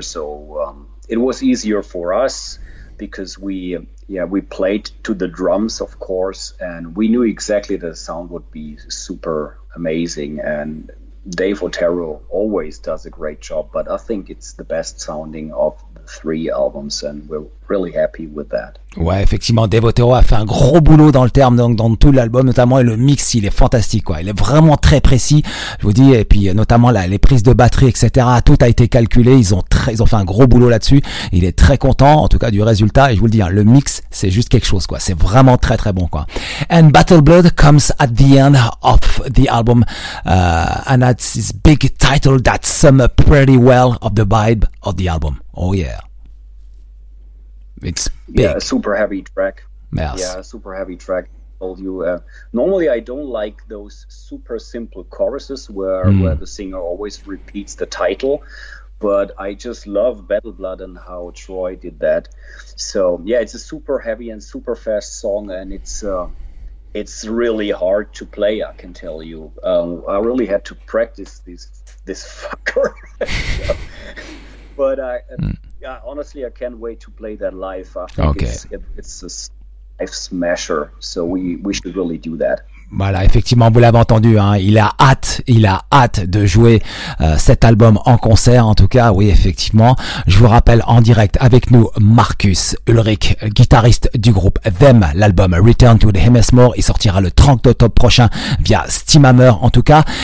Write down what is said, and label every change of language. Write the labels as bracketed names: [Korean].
[English] So it was easier for us because we played to the drums, of course, and we knew exactly the sound would be super amazing. And Dave Otero always does a great job, but I think it's the best sounding of three albums, and we're really happy with that. [French] Ouais, effectivement, Dave Otero a fait un gros boulot dans le terme, donc dans tout l'album, notamment, et le mix, il est fantastique, quoi. Il est vraiment très précis, je vous dis, et puis, notamment, là, les prises de batterie, etc., tout a été calculé, ils ont fait un gros boulot là-dessus. Il est très content, en tout cas, du résultat, et je vous le dis, hein, le mix, c'est juste quelque chose, quoi. C'est vraiment très, très bon, quoi. [English] And Battle Blood comes at the end of the album, and that's this big title that sums up pretty well of the vibe of the album. Oh yeah, it's big. Yeah, a super heavy track. Yes. Yeah, a super heavy track. I told you. Normally, I don't like those super simple choruses where the singer always repeats the title, but I just love Battle Blood and how Troy did that. So yeah, it's a super heavy and super fast song, and it's really hard to play. I can tell you. I really had to practice this fucker. But honestly, I can't wait to play that live. I think it's a live smasher, so we should really do that. [French] Voilà, effectivement, vous l'avez entendu, hein, il a hâte de jouer cet album en concert, en tout cas, oui, effectivement. Je vous rappelle en direct avec nous Marcus Ulrich, guitariste du groupe Them. L'album Return to the Hemismore, il sortira le 30 octobre prochain via Steam Hammer, en tout cas.